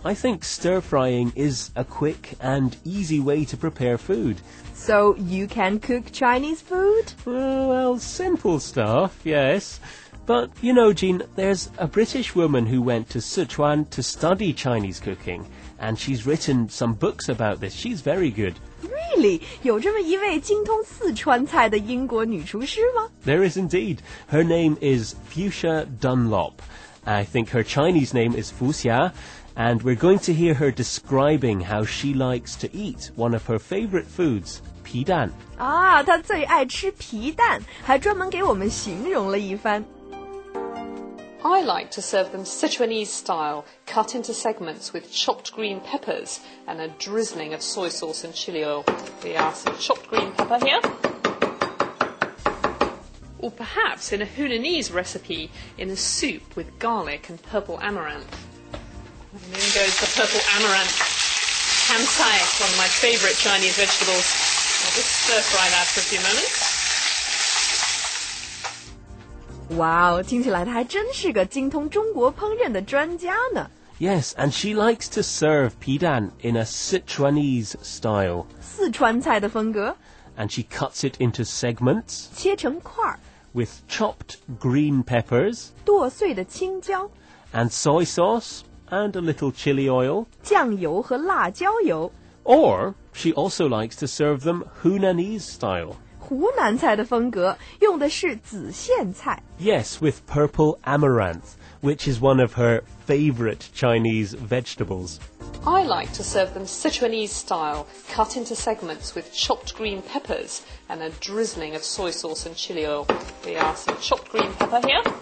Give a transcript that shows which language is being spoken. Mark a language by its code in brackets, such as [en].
[en] I think stir frying is a quick and easy way to prepare food. So you can cook Chinese food? Well, simple stuff, yes. But, you know, Jean, there's a British woman who went to Sichuan to study Chinese cooking, and she's written some books about this. She's very good. Really? [zh] 有这么一位精通四川菜的英国女厨师吗? [en] There is indeed. Her name is Fuxia Dunlop. I think her Chinese name is Fuxia. And we're going to hear her describing how she likes to eat one of her favorite foods, 皮蛋。 [zh] 啊，她最爱吃皮蛋，还专门给我们形容了一番。 [en] I like to serve them Sichuanese style, cut into segments with chopped green peppers and a drizzling of soy sauce and chili oil. We have some chopped green pepper here. Or perhaps in a Hunanese recipe, in a soup with garlic and purple amaranth. And in goes the purple amaranth. Han Cai, one of my favourite Chinese vegetables. I'll just stir-fry that for a few moments. [zh] Wow, 听起来她还真是个精通中国烹饪的专家呢。 [en] Yes, and she likes to serve 皮蛋 in a Sichuanese style. [zh] 四川菜的风格。 [en] And she cuts it into segments. [zh] 切成块。 [en] With chopped green peppers. [zh] 剁碎的青椒。 [en] And soy sauce. And a little chili oil. [zh] 酱油和辣椒油。 [en] Or, she also likes to serve them Hunanese style. [zh] 湖南菜的风格用的是紫苋菜。 [en] Yes, with purple amaranth, which is one of her favorite Chinese vegetables. I like to serve them Sichuanese style, cut into segments with chopped green peppers and a drizzling of soy sauce and chili oil. We have some chopped green pepper here.